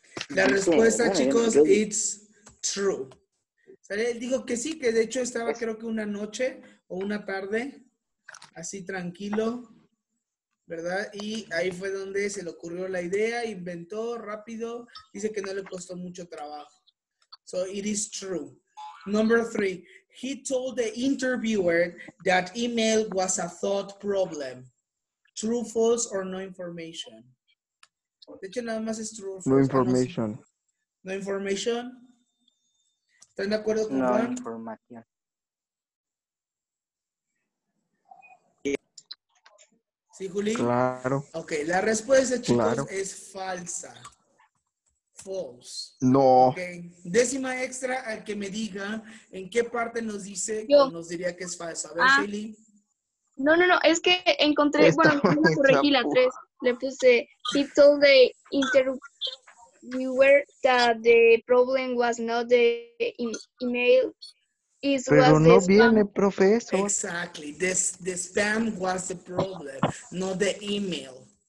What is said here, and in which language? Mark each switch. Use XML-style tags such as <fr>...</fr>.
<es>La respuesta, chicos,</es> <en>it's true.</en> <es>¿Sale? Digo que sí, que de hecho estaba creo que una noche o una tarde, así tranquilo. ¿Verdad? Y ahí fue donde se le ocurrió la idea, inventó rápido, dice que no le costó mucho trabajo.</es> <en>So, it is true. Number three, he told the interviewer that email was a thought problem. True, false, or no information?</en> <es>De hecho, nada más es</es> <en>true. No information. No information.</en> <es>¿Están de acuerdo con no información. ¿Sí, Juli? Claro. Ok, la respuesta, chicos, claro. Es falsa. False. No.</es> <en>Okay.</en> <es>Décima extra al que me diga en qué parte nos dice yo. O nos diría que es falsa. A ver, Juli. No, es que encontré, esta, bueno, no corregí la 3. Le puse,</es> <en>he told the interviewer that the problem was not the email.</en> <es>Pero no viene, profesor.</es> <en>Exactly. The spam was the problem, not the email.</en>